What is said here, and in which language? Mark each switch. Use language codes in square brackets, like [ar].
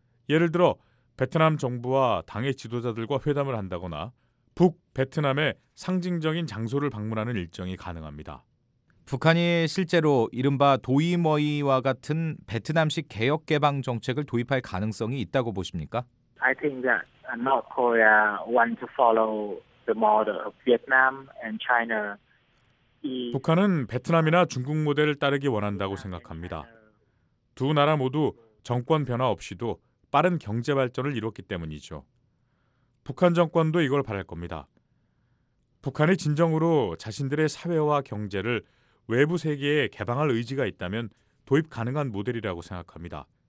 [ko] 예를 들어 베트남 정부와 당의 지도자들과 회담을 한다거나 북 베트남의 상징적인 장소를 방문하는 일정이 가능합니다. 북한이 실제로 이른바 도이머이와 같은 베트남식 개혁 개방 정책을 도입할 가능성이 있다고 보십니까? [en] I think that North Korea want to follow the model of Vietnam and China. [ko] 북한은 베트남이나 중국 모델을 따르기 원한다고 생각합니다. 두 나라 모두 정권 변화 없이도 빠른 경제 발전을 이뤘기 때문이죠. 북한 정권도 이걸 바랄 겁니다. 북한이 진정으로 자신들의 사회와 경제를 외부 세계에 개방할 의지가 있다면 도입 가능한 모델이라고 생각합니다.